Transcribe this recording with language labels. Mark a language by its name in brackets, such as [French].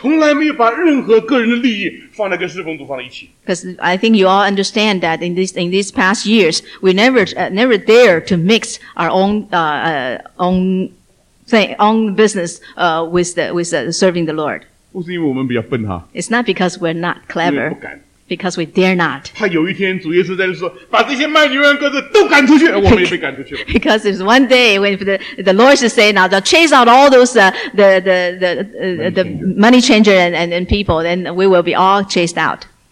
[Chinese] 因为你们知道,我们在教会里面十几年服侍主,从来没有把任何个人的利益放在跟侍奉主放在一起。 [English] Because I think you all understand that in these past years, we never dare to mix our own business with serving the Lord. [Chinese] 不是因为我们比较笨哈, [English] it's not because we're not clever, because we dare not. [Chinese] 怕有一天主耶稣在这说, 把这些卖牛羊鸽子都赶出去, 我们也被赶出去了。 [English] Because it's one day when the Lord should say, now they'll chase out all those the money changer and people, then we will be all chased out.